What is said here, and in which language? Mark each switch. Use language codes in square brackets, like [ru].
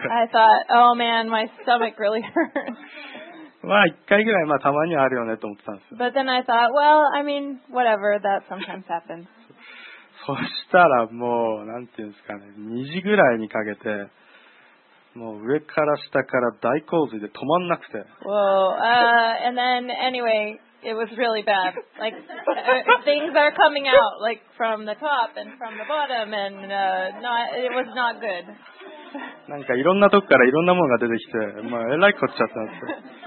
[en] I thought, oh man, my stomach really hurts. [ja] まあ1回ぐらい、まあ、たまにはあるよねと思ってたんですよ。 [en] But then I thought, well, I mean, whatever, that sometimes happens. [ja] そしたらもう、なんていうんですかね、2時ぐらいにかけて、もう上から下から大洪水で止まんなくて。 [en] Whoa, and then anyway,It was really bad. Like, things are coming out, like, from the top and from the bottom, and it was not good. [ja] なんかいろんなとこからいろんなものが出てきて、まあ、えらいこっちゃったんですよ。